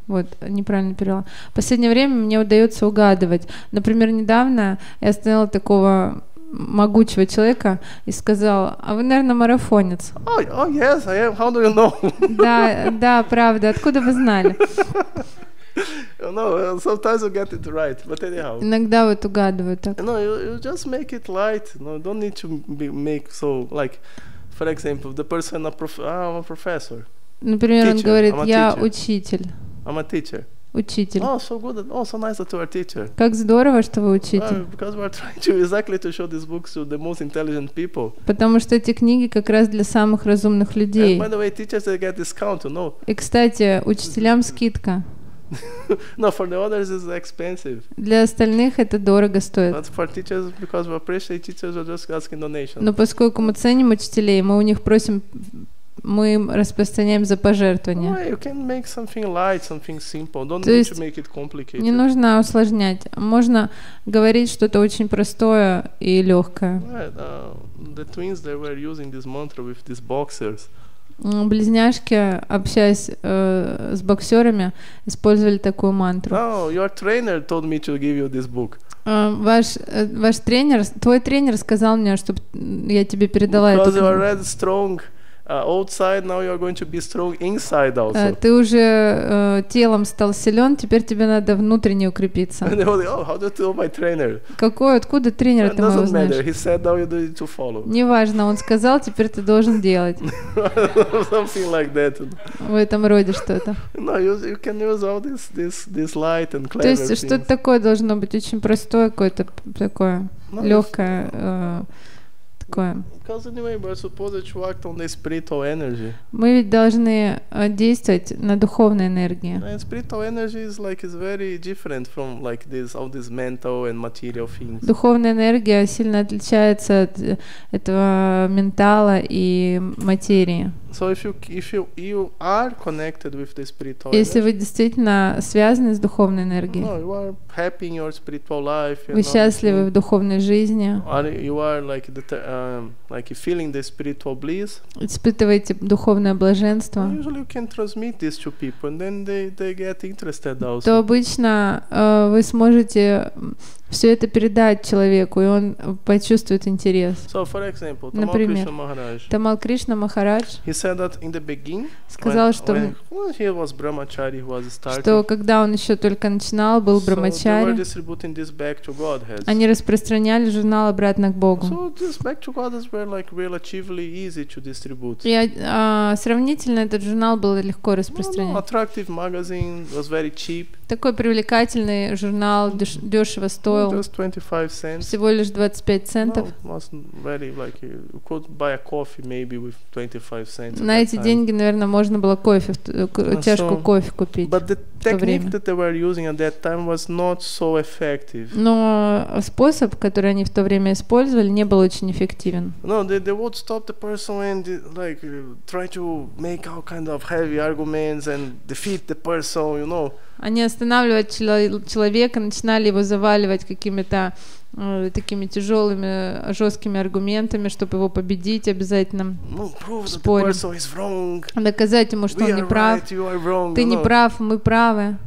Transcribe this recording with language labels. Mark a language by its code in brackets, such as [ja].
[ru] Вот, неправильно перевела. В последнее время мне удается угадывать. Например, недавно я остановила такого могучего человека и сказала: а вы, наверное, марафонец. [en] Oh, yes, I am. How do you know? [ru] Да, правда. Откуда вы знали? [en] No, sometimes you get it right, but anyhow. [ru] Иногда вот угадываю так. [en] No, you just make it light. No, don't need to make so, like, for example, the person I'm a professor. [ru] Например, [en] teacher. [ru] Он говорит, [en] I'm [ru] я [en] teacher. [ru] Учитель. [en] I'm a teacher. [ru] Учитель. [en] Oh, so good. Oh, so nice that you are teacher. [ru] Как здорово, что вы учитель. [en] Well, because we are trying to exactly to show these books to the most intelligent people. [ru] Потому что эти книги как раз для самых разумных людей. [en] And by the way, teachers they get discount, you know. [ru] И кстати, учителям скидка. [en] No, for the others it's expensive. [ru] Для остальных это дорого стоит. [en] But for teachers, because we appreciate teachers, we're just asking donation. [ru] Но поскольку мы ценим учителей, мы у них просим. Мы распространяем за пожертвования. [en] Well, you can make something light, something simple. Don't need to make it complicated. [ru] Не нужно усложнять. Можно говорить что-то очень простое и легкое. [en] The twins they were using this mantra with these boxers. [ru] Близняшки, общаясь с боксерами, использовали такую мантру. [en] No, your trainer told me to give you this book. [ru] Ваш тренер, твой тренер сказал мне, чтобы я тебе передала эту книгу. [en] Because you are red strong. Outside, now you are going to be strong inside also. [ru] Ты уже телом стал силен, теперь тебе надо внутренне укрепиться. [en] And they were like, oh, how do you know my trainer? [ru] Какой, откуда тренер ты моего знаешь? [en] It doesn't matter. He said now you need to follow. [ru] Неважно, он сказал, теперь ты должен делать. [en] Something like that. [ru] В этом роде что-то. [en] No, you can use all this light and clever. [ru] То есть что-то такое должно быть очень простое, какое-то такое легкое. [en] Because anyway, we're supposed to act on the spiritual energy. [ru] Мы ведь должны действовать на духовной энергии. [en] And spiritual energy is like is very different from like this all these mental and material things. [ru] Духовная энергия сильно отличается от этого ментала и материи. [en] So if you are connected with the spiritual energy. [ru] Если вы действительно связаны с духовной энергией. [en] No, you are happy in your spiritual life. [ru] Вы счастливы в духовной жизни. [en] You are like like feeling the spiritual bliss. [ru] Испытываете духовное блаженство. [en] Usually you can transmit this to people, and then they get interested also. [ru] То обычно вы сможете все это передать человеку, и он почувствует интерес. [en] So, for example, [ru] например, [en] Tamal Krishna Maharaj. He said that in the beginning. [ru] Сказал, что [en] he was brahmachari, he was starting. [ru] Что когда он еще только начинал, был брахмачари. [en] So they were distributing this back to Godhead. [ru] Они распространяли журнал обратно к Богу. [en] So this back to Godhead were like relatively easy to distribute. [ru] И сравнительно этот журнал был легко распространять. [en] No, attractive magazine was very cheap. [ru] Такой привлекательный журнал дешево стоил. Всего лишь 25 центов. [en] You could buy a coffee maybe with 25 cents. [ru] На эти деньги, наверное, можно было кофе, чашку кофе купить. [en] But the technique that they were using at that time was not so effective. [ru] Но способ, который они в то время использовали, не был очень эффективен. [en] No, they would stop the person and like try to make all kind of heavy arguments and defeat the person, you know. [ru] Они останавливали человека, начинали его заваливать какими-то такими тяжелыми, жесткими аргументами, чтобы его победить обязательно в споре. Доказать ему, что [en] we [ru] он не прав. [en] Right, [ru] ты не прав, мы правы.